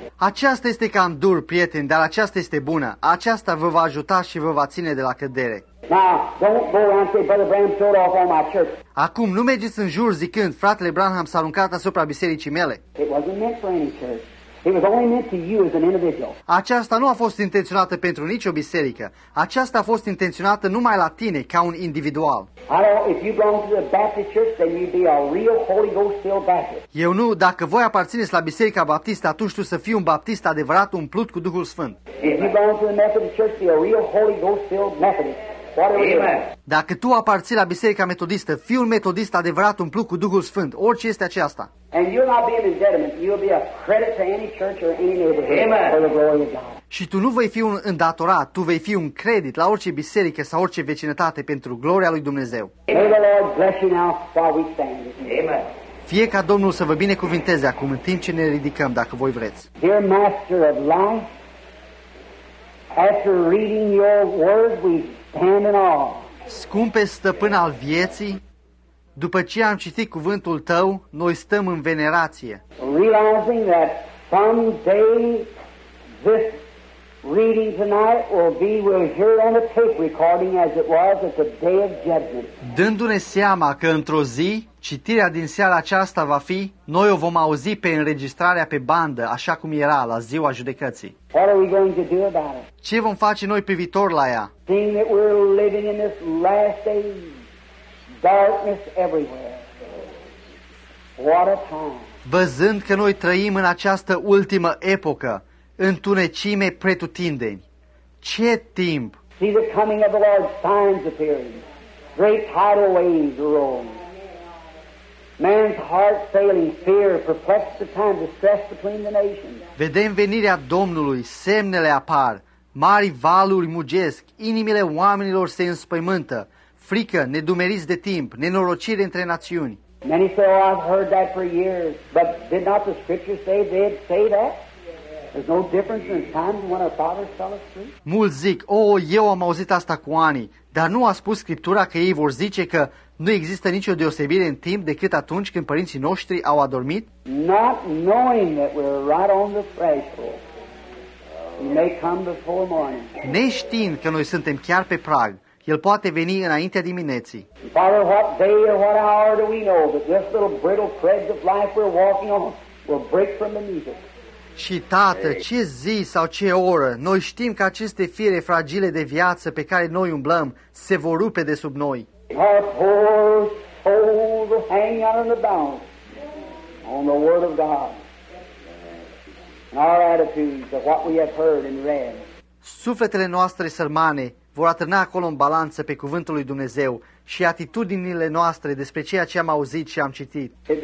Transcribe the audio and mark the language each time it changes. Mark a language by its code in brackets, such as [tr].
[ro] Aceasta este cam dur, prieten, dar aceasta este bună. Aceasta vă va ajuta și vă va ține de la cădere. [en] Now, don't go and say, Brother Branham showed off on my church. [ro] Acum, nu mergeți în jur zicând, fratele Branham s-a aruncat asupra bisericii mele. [en] It wasn't meant for any church. It was only meant to you as an individual. [ro] Aceasta nu a fost intenționată pentru nicio biserică. Aceasta a fost intenționată numai la tine, ca un individual. [en] I don't, if you belong to the Baptist church, then you'd be a real Holy Ghost filled Baptist. [ro] Eu nu, dacă voi aparțineți la Biserica Baptistă, atunci tu să fii un baptist adevărat, umplut cu Duhul Sfânt. [en] If you belong to the Methodist church, be a real Holy Ghost filled Methodist. Amen. [ro] Dacă tu aparții la Biserica Metodistă, fii un metodist adevărat umplut cu Duhul Sfânt, orice este aceasta. [en] And you'll not be an indebtedment, you'll be a credit to any church or any neighborhood. Amen. For the glory of God. [ro] Și tu nu vei fi un îndatorat, tu vei fi un credit la orice biserică sau orice vecinătate pentru gloria lui Dumnezeu. [en] May the Lord bless you now while we stand. Amen. [ro] Fie ca Domnul să vă binecuvinteze acum în timp ce ne ridicăm, dacă voi vreți. [en] Dear Master of Life, after reading your word, we stand in awe. [ro] Scumpe stăpân al vieții, după ce am citit cuvântul tău, noi stăm în venerație. [en] Realizing that someday this reading tonight will be we'll hear on a tape recording as it was at the day of judgment. [ro] Dându-ne seama că într-o zi citirea din seara aceasta va fi, noi o vom auzi pe înregistrarea pe bandă, așa cum era la ziua judecății. [en] What are we going to do about it? [ro] Ce vom face noi privitor la ea? [en] Seeing that we're living in this last day, darkness everywhere. What a time. [ro] Văzând că noi trăim în această ultimă epocă, întunecime pretutindeni. Ce timp! [en] See the coming of the Lord, signs appearing. Great tidal waves roll. Man's heart failing, fear, perplexed the time, distress between the nations. [ro] Vedem venirea Domnului, semnele apar, mari valuri mugesc, inimile oamenilor se înspăimântă, frică, nedumeriți de timp, nenorocire între națiuni. [en] Many say, oh, I've heard that for years, but did not the scriptures say they'd say that? There's no difference in times when our fathers fell asleep. [ro] Mulți zic, oh, eu am auzit asta cu ani, dar nu a spus Scriptura că ei vor zice că nu există nicio deosebire în timp decât atunci când părinții noștri au adormit? [en] Not knowing that we're right on the threshold, he may come before morning. [ro] Neștiind că noi suntem chiar pe prag, el poate veni înaintea dimineții. [en] Father, what day or what hour do we know that this little brittle threads of life we're walking on will break from beneath us? [ro] Și Tată, ce zi sau ce oră, noi știm că aceste fire fragile de viață pe care noi umblăm se vor rupe de sub noi. [en] Our poor souls will hang out in the balance on the word of God. And our attitudes of what we have heard and read. [ro] Sufletele noastre sărmane vor atârna acolo în balanță pe cuvântul lui Dumnezeu și atitudinile noastre despre ceea ce am auzit și am citit.